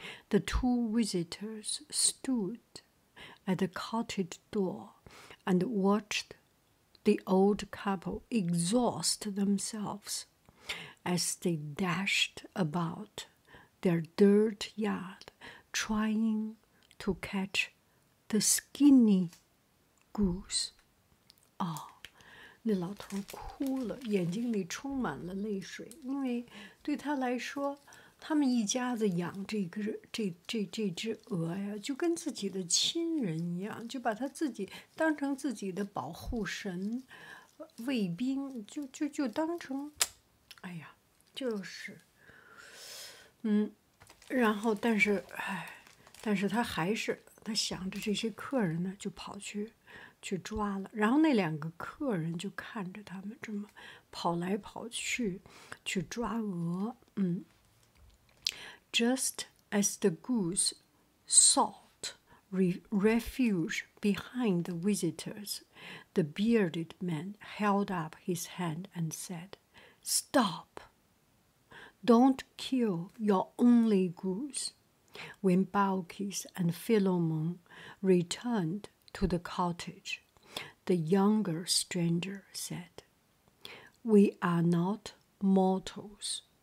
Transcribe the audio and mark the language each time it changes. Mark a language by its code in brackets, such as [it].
[en] The two visitors stood at the cottage door and watched the old couple exhaust themselves as they dashed about their dirt yard trying to catch the skinny goose. [zh] Oh, 那老头哭了，眼睛里充满了泪水，因为对他来说，他们一家子养这只鹅呀，就跟自己的亲人一样，就把他自己当成自己的保护神、卫兵，就当成，哎呀，就是，然后但是他还是他想着这些客人呢，就跑去抓了。然后那两个客人就看着他们这么跑来跑去去抓鹅。 [en] Just as the goose sought refuge behind the visitors, the bearded man held up his hand and said, "Stop! Don't kill your only goose." When Balkis and Philemon returned to the cottage, the younger stranger said, "We are not mortals.